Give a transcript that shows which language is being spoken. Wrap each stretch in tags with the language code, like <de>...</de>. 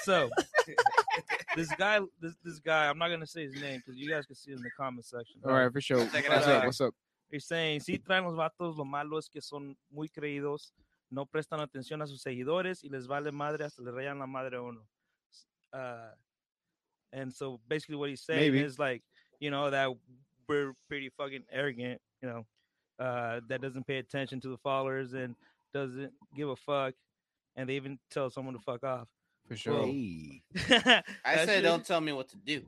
<en>So, this guy, I'm not gonna say his name because you guys can see it in the comment section. All right, for sure. What's up? He's saying,</en> <es>si traen los vatos, lo malo es que son muy creídos, no prestan atención a sus seguidores y les vale madre hasta le rayan la madre a uno.</es> <en>And so, basically, what he's saying Maybe. Is like, you know, that we're pretty fucking arrogant, you know, that doesn't pay attention to the followers and doesn't give a fuck. And they even tell someone to fuck off. For sure. Hey. I said, don't tell me what to do.</en>